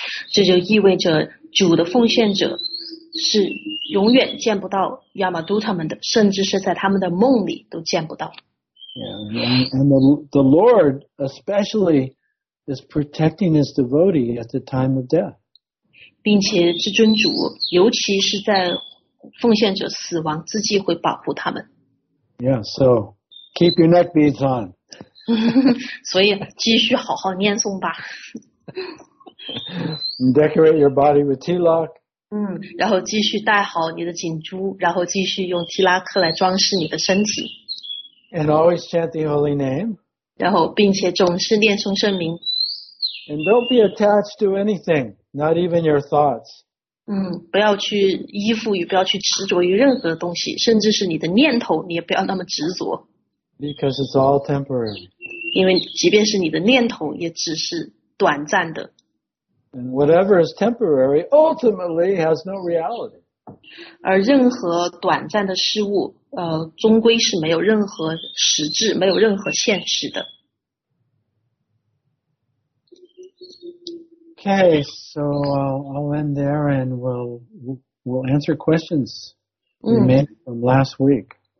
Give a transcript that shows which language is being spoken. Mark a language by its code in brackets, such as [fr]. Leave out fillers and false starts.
[zh] 这就意味着主的奉献者是永远见不到 Yamaduta 们的，甚至是在他们的梦里都见不到。 [en] Yeah. And the Lord especially. Is protecting his devotee at the time of death. [zh] 并且至尊主尤其是在奉献者死亡之际会保护他们。 [en] Yeah, so keep your neck beads on. [zh] 所以继续好好念诵吧。 [en] Decorate your body with tilak. [zh] 然后继续戴好你的颈珠，然后继续用提拉克来装饰你的身体。 [en] And always chant the holy name. [zh] 然后并且总是念诵圣名。 [en] And don't be attached to anything, not even your thoughts. [zh] 不要去依附于，不要去执着于任何东西，甚至是你的念头，你也不要那么执着。 [en] Because it's all temporary. [zh] 因为即便是你的念头也只是短暂的。 [en] And whatever is temporary ultimately has no reality. [zh] 而任何短暂的事物终归是没有任何实质，没有任何现实的。 [en] Okay, so I'll end there and we'll answer questions we made from last week.